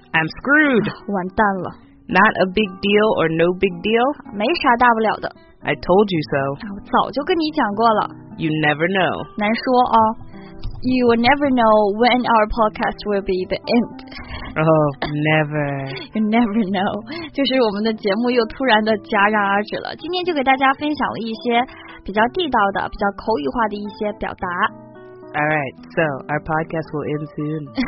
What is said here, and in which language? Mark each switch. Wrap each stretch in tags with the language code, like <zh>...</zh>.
<en>I'm screwed.</en> <zh>完蛋了。</zh> <en>Not a big deal or no big deal.</en> <zh>没啥大不了的。</zh> <en>I told you so.</en> <zh>我早就跟你讲过了。</zh> <en>You never know.</en> <zh>难说哦。</zh> <en>You will never know when our podcast will be the end. Oh, never. You never know.</en> <zh>就是我们的节目又突然的戛然而止了。今天就给大家分享了一些比较地道的、比较口语化的一些表达。</zh> <en>All right, so our podcast will end soon.</en>